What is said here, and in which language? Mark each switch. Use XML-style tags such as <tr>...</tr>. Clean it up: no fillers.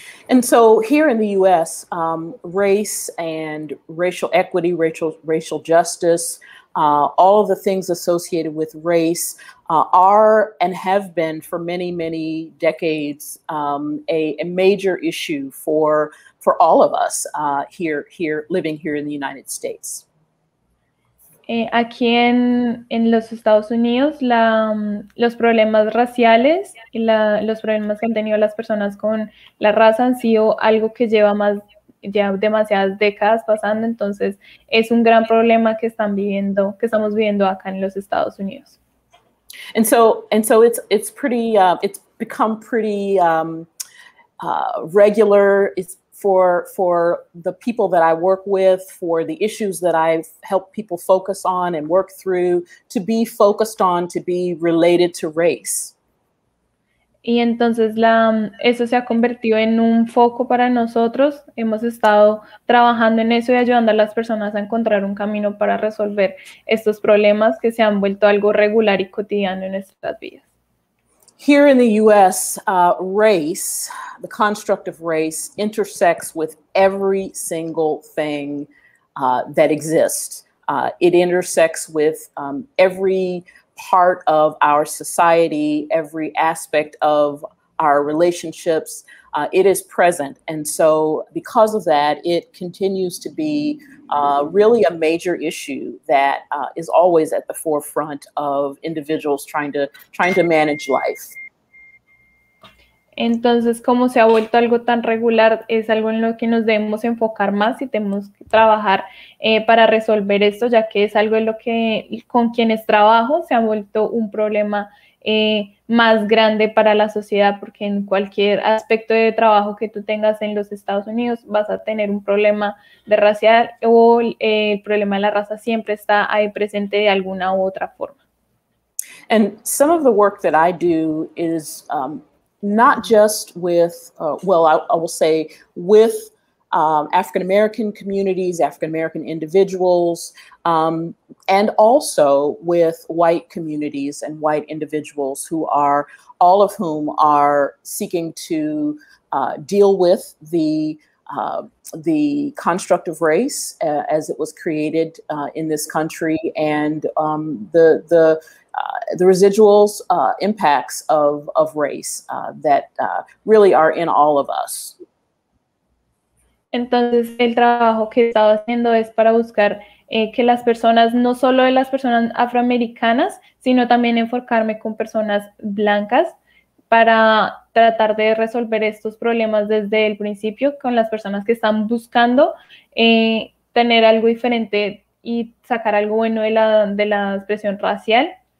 <en>And so here in the U.S., race and racial equity, racial justice, all of the things associated with race are and have been for many, many decades a major issue for all of us here living here in the United States.</en> <es>Aquí en los Estados Unidos, los problemas raciales y los problemas que han tenido las personas con la raza han sido algo que lleva ya demasiadas décadas pasando. Entonces, es un gran problema que estamos viviendo acá en los Estados Unidos.</es> <en>And so it's pretty it's become pretty regular. It's for the people that I work with, for the issues that I've helped people focus on and work through, to be focused on, to be related to race.</en> <es>Y entonces eso se ha convertido en un foco para nosotros. Hemos estado trabajando en eso y ayudando a las personas a encontrar un camino para resolver estos problemas que se han vuelto algo regular y cotidiano en nuestras vidas.</es> <en>Here in the U.S., race, the construct of race, intersects with every single thing that exists. It intersects with every part of our society, every aspect of our relationships. It is present. And so because of that, it continues to be really a major issue that is always at the forefront of individuals trying to manage life.</en> <es>Entonces, como se ha vuelto algo tan regular, es algo en lo que nos debemos enfocar más y tenemos que trabajar para resolver esto, ya que es algo en lo que con quienes trabajo se ha vuelto un problema más grande para la sociedad, porque en cualquier aspecto de trabajo que tú tengas en los Estados Unidos vas a tener un problema de racial o el problema de la raza siempre está ahí presente de alguna u otra forma.</es> <en>And some of the work that I do is not just with, I will say with African American communities, African American individuals, and also with white communities and white individuals who are, all of whom are seeking to deal with the construct of race as it was created in this country and the residuals impacts of race that really are in all of us.</en> <es>Entonces, el trabajo que he estado haciendo es para buscar que las personas, no solo de las personas afroamericanas, sino también enfocarme con personas blancas para tratar de resolver estos problemas desde el principio con las personas que están buscando tener algo diferente y sacar algo bueno de la expresión racial.</es>